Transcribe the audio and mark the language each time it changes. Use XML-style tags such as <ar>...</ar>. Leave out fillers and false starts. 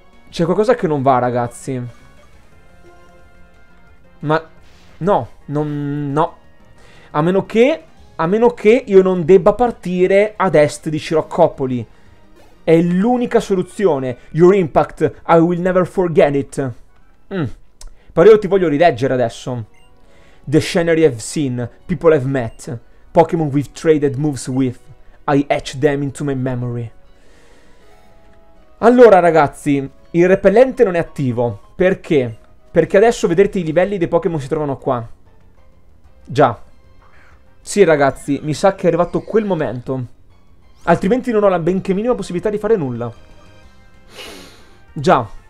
<it>C'è qualcosa che non va, ragazzi. Ma no, non, no. A meno che io non debba partire ad est di Sciroccopoli. È l'unica soluzione.</it> <en>Your impact, I will never forget it.</en> <it>Però io ti voglio rileggere adesso.</it> <en>The scenery I've seen, people I've met, Pokémon we've traded moves with, I etch them into my memory.</en> <it>Allora, ragazzi, il repellente non è attivo. Perché? Perché adesso vedrete i livelli dei Pokémon si trovano qua. Già. Sì, ragazzi, mi sa che è arrivato quel momento. Altrimenti non ho la benché minima possibilità di fare nulla. Già.</it>